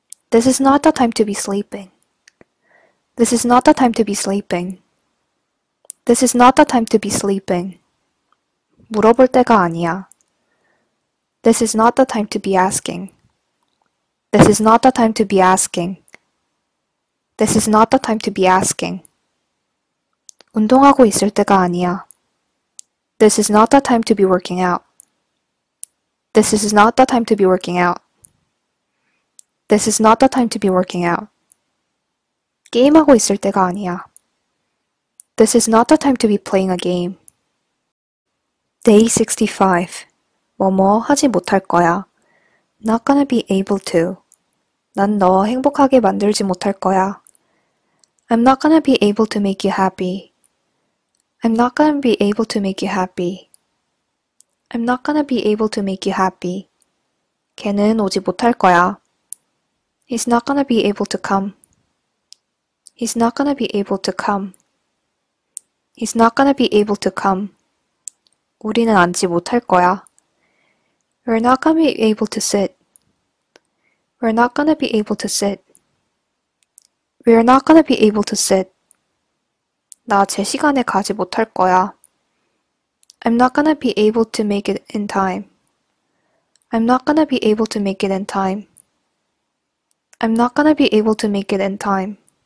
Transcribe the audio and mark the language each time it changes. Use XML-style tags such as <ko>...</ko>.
<en>This is not the time to be sleeping. This is not the time to be sleeping. This is not the time to be sleeping.</en> <ko>물어볼 때가 아니야.</ko> <en>This is not the time to be asking. This is not the time to be asking. This is not the time to be asking.</en> <ko>운동하고 있을 때가 아니야.</ko> <en>This is not the time to be working out. This is not the time to be working out. This is not the time to be working out.</en> <ko>게임하고 있을 때가 아니야.</ko> <en>This is not the time to be playing a game. Day 65.</en> <ko>뭐뭐 하지 못할 거야.</ko> <en>Not gonna be able to.</en> <ko>난 너 행복하게 만들지 못할 거야.</ko> <en>I'm not gonna be able to make you happy. I'm not gonna be able to make you happy. I'm not gonna be able to make you happy.</en> <ko>걔는 오지 못할 거야.</ko> <en>He's not gonna be able to come. He's not gonna be able to come. He's not gonna be able to come.</en> <ko>우리는 앉지 못할 거야.</ko> <en>We're not gonna be able to sit. We're not gonna be able to sit. We are not gonna be able to sit.</en> <ko>나 제 시간에 가지 못할 거야.</ko> <en>I'm not gonna be able to make it in time. I'm not gonna be able to make it in time. I'm not gonna be able to make it in time.</en>